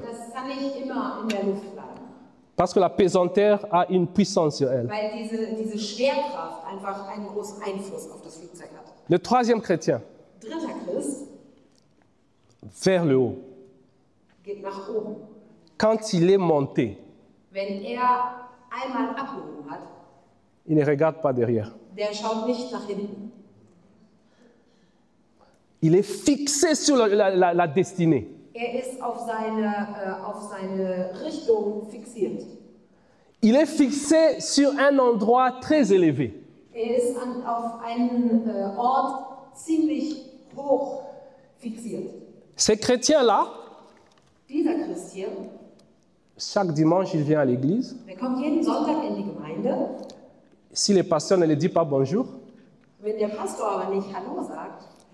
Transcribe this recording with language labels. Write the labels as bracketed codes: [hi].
[de] Das kann nicht immer in der Luft bleiben. [fr] Parce que la pesanteur a une puissance sur elle. [de] Weil diese Schwerkraft einfach einen großen Einfluss auf das Flugzeug hat. [fr] Le troisième chrétien. [de] Dritter Christ. [fr] Vers le haut. [de] Geht nach oben. [fr] Quand il est monté. [de] Wenn einmal abgehoben hat. [fr] Il ne regarde pas derrière. [de] Der schaut nicht nach hinten. [fr] Il est fixé sur la destinée. [de] Er ist auf seine Richtung fixiert. [fr] Il est fixé sur un endroit très élevé. [de] Er ist auf einen Ort ziemlich hoch fixiert. [fr] Ces chrétiens-là, [de] dieser Christ hier, [fr] chaque dimanche il vient à l'église. [de] Er kommt jeden Sonntag in die Gemeinde. [fr] Si le pasteur ne le dit pas bonjour, [de] wenn der Pastor aber nicht Hallo sagt,